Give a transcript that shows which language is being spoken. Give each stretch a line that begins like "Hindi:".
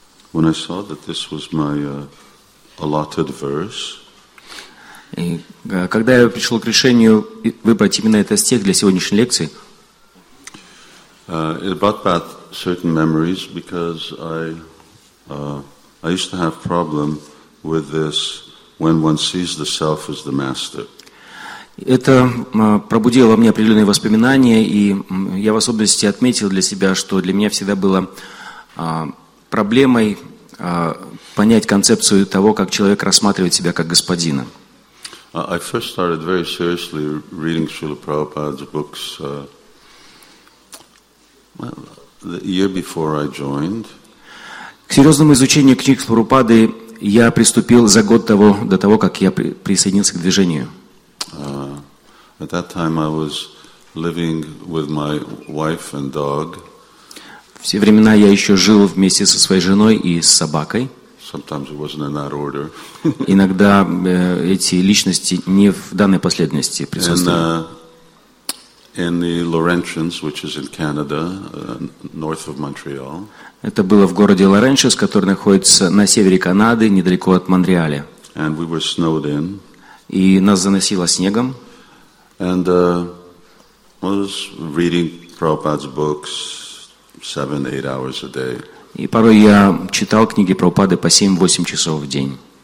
English: When I saw that this was my allotted verse,
Russian: и, когда я пришел к решению выбрать именно этот стих для сегодняшней лекции,
English: it brought back certain memories because I used to have problem with this when one sees the self as the master.
Russian: Это пробудило во мне определенные воспоминания, и я в особенности отметил для себя, что для меня всегда было проблемой понять концепцию того, как человек рассматривает себя как господина.
English: I first started very seriously reading Srila Prabhupada's books the year before I joined.
Russian: К серьезному изучению книг Прабхупады я приступил за год до того, как я присоединился к движению.
English: At that time I was living with my wife and dog.
Russian: Все времена я еще жил вместе со своей женой и с собакой.
English: Sometimes it wasn't in that order.
Russian: Иногда эти личности не в данной последовательности присутствовали.
English: In the Laurentians, which is in Canada, north of Montreal.
Russian: Это было в городе Лоренчес, который находится на севере Канады, недалеко от Монреаля.
English: And we were snowed in.
Russian: И нас заносило снегом.
English: And I was reading Prabhupada's books 7-8 hours a day.
Russian: И порой я читал книги Прабхупады по 7-8 часов в день.